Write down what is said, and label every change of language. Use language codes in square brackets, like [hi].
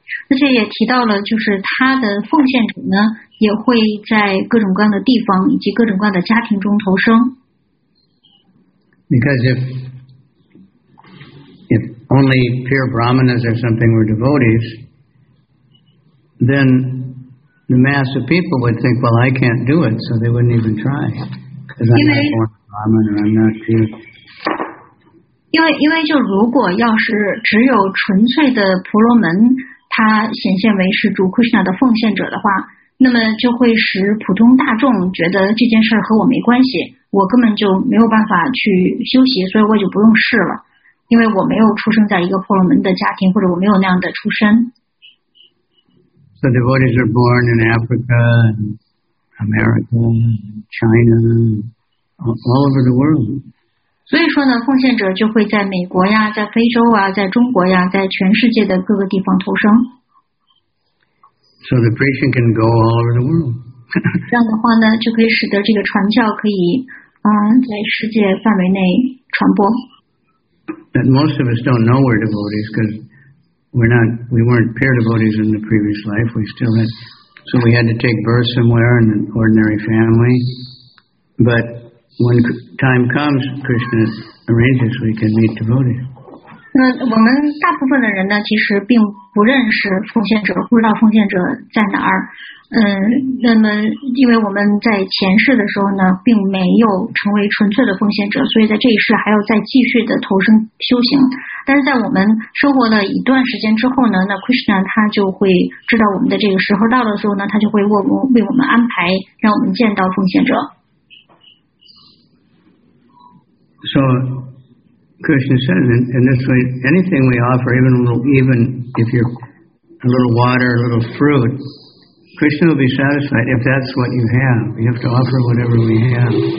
[zh] 而且也提到了，就是他的奉献者呢，也会在各种各样的地方以及各种各样的家庭中投生。 [en] Because if only pure brahmanas or something were devotees, then the mass of people would think, "Well, I can't do it," so they wouldn't even try. Because I'm not born a brahman or I'm not pure. [zh] 因为就如果要是只有纯粹的婆罗门他显现为是主库什纳的奉献者的话，那么就会使普通大众觉得这件事和我没关系，我根本就没有办法去修习，所以我就不用试了，因为我没有出生在一个婆罗门的家庭，或者我没有那样的出身。 [en] So devotees are born in Africa and America and China all over the world. [zh] 所以说呢，奉献者就会在美国呀，在非洲啊，在中国呀，在全世界的各个地方投生。 [en] So the preaching can go all over the world. [zh] 这样的话呢，就可以使得这个传教可以，在世界范围内传播。 [en] But most of us don't know we're devotees because we weren't pure devotees in the previous life. We still had, so we had to take birth somewhere in an ordinary family, but. When time comes, Krishna arranges we can meet devotees. [zh] 那我们大部分的人呢，其实并不认识奉献者，不知道奉献者在哪儿。那么因为我们在前世的时候呢，并没有成为纯粹的奉献者，所以在这一世还要再继续的投生修行。但是在我们生活了一段时间之后呢，那 Krishna 他就会知道我们的这个时候到的时候呢，他就会为我们安排，让我们见到奉献者。 [en] So, Krishna says, in this way, anything we offer, even if you're a little water, a little fruit, Krishna will be satisfied if that's what you have. We have to offer whatever we have.